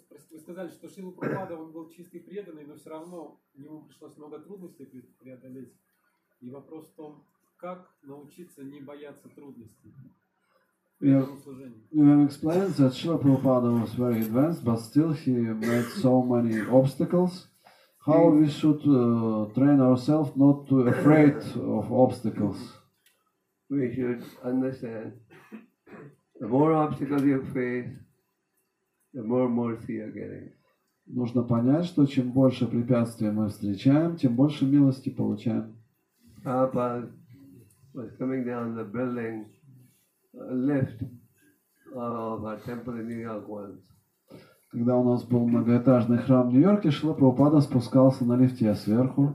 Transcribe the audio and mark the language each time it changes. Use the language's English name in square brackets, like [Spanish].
[Russian] Вы сказали, что Шрила Прабхупада, он был чистый преданный, но все равно ему пришлось много трудностей преодолеть. И вопрос в том, как научиться не бояться трудностей в служении. [English] We have explained that Shrila Prabhupada was very advanced, but still he made so many obstacles. How we should train ourselves not to be afraid of obstacles? We should understand, the more obstacles you face, the more mercy you're getting. [Russian] Нужно понять, что чем больше препятствий мы встречаем, тем больше милости получаем. [English] Prabhupada was coming down the building, lift of a temple in New York once. [Russian] Когда у нас был многоэтажный храм в Нью-Йорке, Шрила Прабхупада спускался на лифте сверху.